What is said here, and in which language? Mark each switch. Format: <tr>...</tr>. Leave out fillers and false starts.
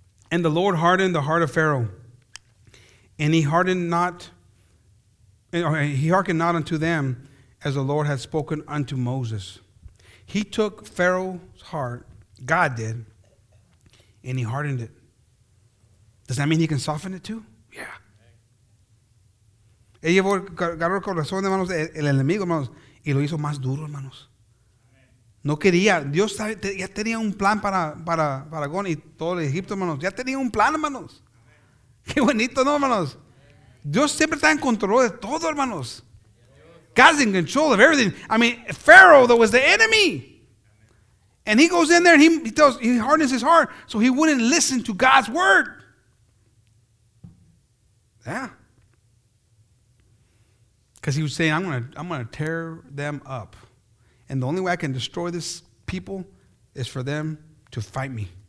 <en>And the Lord hardened the heart of Pharaoh, and he hearkened not unto them, as the Lord had spoken unto Moses. He took Pharaoh's heart, God did, and he hardened it. Does that mean he can soften it too? Yeah.</en> <es>Él llevó el corazón, hermanos, el enemigo, hermanos, y lo hizo más duro, hermanos. No quería. Dios ya tenía un plan para Faraón y todo el Egipto, hermanos. Ya tenía un plan, hermanos. Qué bonito, ¿no, hermanos? Dios siempre está en control de todo, hermanos.</es> <en>God's in control of everything. I mean, Pharaoh, that was the enemy. And he goes in there and he hardens his heart so he wouldn't listen to God's word. Yeah. Because he was saying, I'm gonna tear them up. And the only way I can destroy this people is for them to fight me.</en>